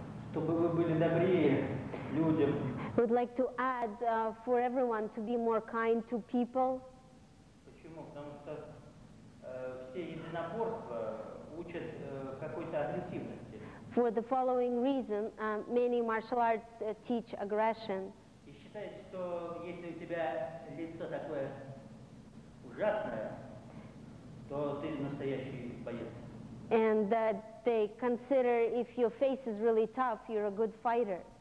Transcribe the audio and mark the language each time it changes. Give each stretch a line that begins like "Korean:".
Russian: чтобы вы были добрее людям.
English: Would like to add for everyone to be more kind to people.
Russian: Почему? Потому что все единоборства учат какой-то агрессивности.
English: For the following reason, many martial arts teach aggression.
Russian: И считается, что если у тебя лицо такое ужасное, то ты настоящий боец.
English: And that they consider if your face is really tough, you're a good fighter.